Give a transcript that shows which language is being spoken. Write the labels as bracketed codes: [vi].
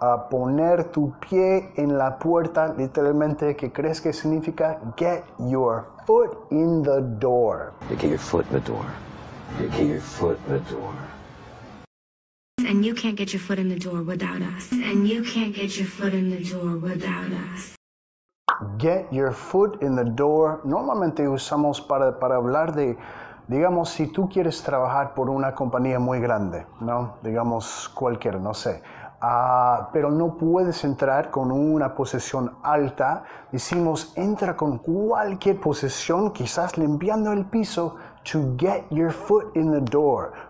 [es] Poner tu pie en la puerta, literalmente, ¿qué crees que significa? [en] Get your foot in the door. Get your foot in the door. Get your foot in the door. And you can't get your foot in the door without us. And you can't get your foot in the door without us. Get your foot in the door. [es] Normalmente usamos para hablar de, digamos, si tú quieres trabajar por una compañía muy grande, ¿no? Digamos, cualquiera, no sé. Pero no puedes entrar con una posición alta. Decimos, entra con cualquier posición, quizás limpiando el piso, [en] to get your foot in the door.